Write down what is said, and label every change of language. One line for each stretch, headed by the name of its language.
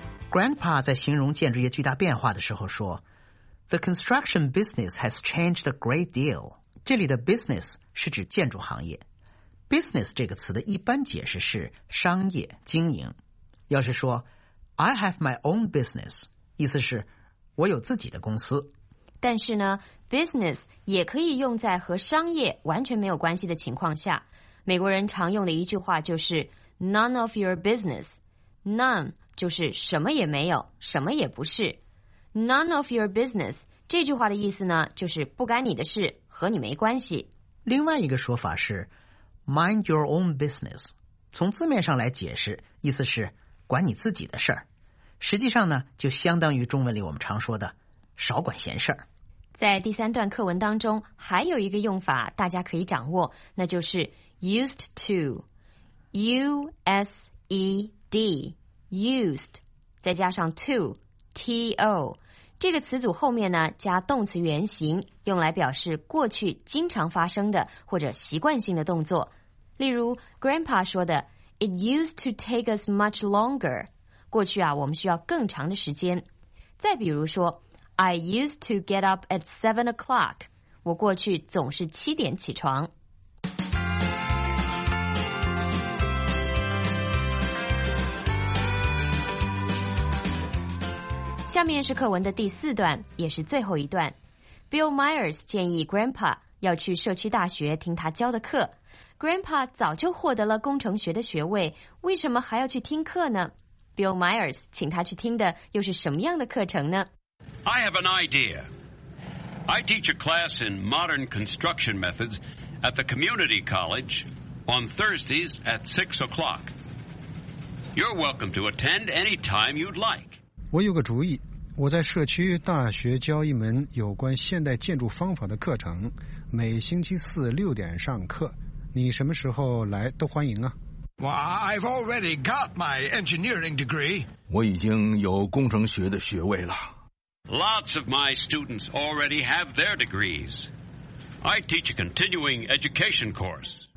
Chinese: Grandpa 在形容建筑业巨大变化的时候说 The construction business has changed a great deal. 这里的 business 是指建筑行业。Business 这个词的一般解释是商业、经营。要是说 I have my own business, 意思是我有自己的公司。但是呢 ,business 也可以用在和商业完全没有关系的情况下。美国人常用的一句话就是 none of your business。 None 就是什么也没有，什么也不是。 None of your business 这句话的意思呢，就是不干你的事，和你没关系。另外一个说法是 mind your own business。从字面上来解释，意思是管你自己的事儿。实际上呢，就相当于中文里我们常说的少管闲事儿。在第三段课文当中，还有一个用法大家可以掌握，那就是 used to。 used used 再加上 to to 这个词组后面呢加动词原形，用来表示过去经常发生的或者习惯性的动作。例如 Grandpa 说的 It used to take us much longer，过去啊我们需要更长的时间。再比如说 I used to get up at 7 o'clock，我过去总是7点起床。下面是课文的第四段，也是最后一段。Bill Myers 建议 Grandpa 要去社区大学听他教的课。 Grandpa 早就获得了工程学的学位，为什么还要去听课呢？ Bill Myers 请他去听的又是什么样的课程呢？
English: I have an idea. I teach a class in modern construction methods at the community college on Thursdays at 6 o'clock. You're welcome to attend any time you'd like.
Chinese: 我有个主意，我在社区大学教一门有关现代建筑方法的课程，每星期四6点上课，你什么时候来都欢迎啊。
English: Well, I've already got my engineering degree.
Chinese: 我已经有工程学的学位了。
English: Lots of my students already have their degrees. I teach a continuing education course.